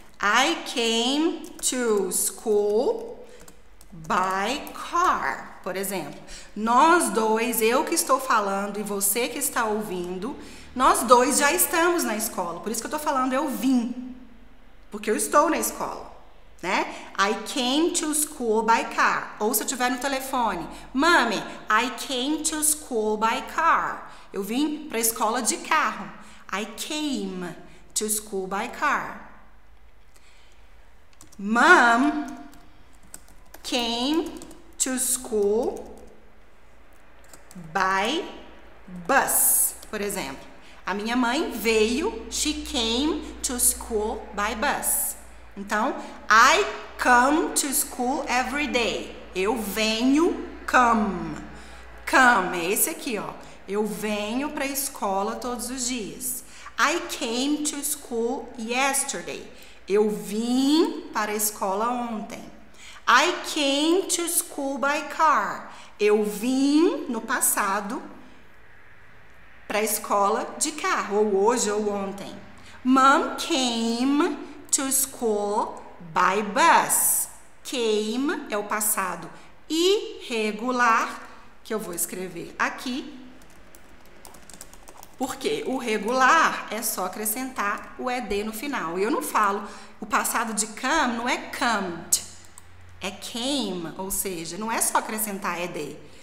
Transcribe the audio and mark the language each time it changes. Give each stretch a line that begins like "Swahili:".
English: I came to school by car,
Portuguese: por exemplo. Nós dois, eu que estou falando e você que está ouvindo, nós dois já estamos na escola. Por isso que eu estou falando eu vim, porque eu estou na escola, né?
English: I came to school by car. Ou se eu estiver no telefone, Mami, I came to school by car.
Portuguese: Eu vim para a escola de carro.
English: I came to school by car. Mom came to school by bus,
Portuguese: por exemplo. A minha mãe veio,
English: she came to school by bus. Então, I come to school every day.
Portuguese: Eu venho, come, é esse aqui, ó. Eu venho para a escola todos os dias.
English: I came to school yesterday.
Portuguese: Eu vim para a escola ontem.
English: I came to school by car.
Portuguese: Eu vim no passado para a escola de carro, ou hoje ou ontem.
English: Mom came to school by bus.
Portuguese: Came é o passado irregular que eu vou escrever aqui. Porque o regular é só acrescentar o ED no final. Eu não falo o passado de come, não é comed, é came, ou seja, não é só acrescentar ED.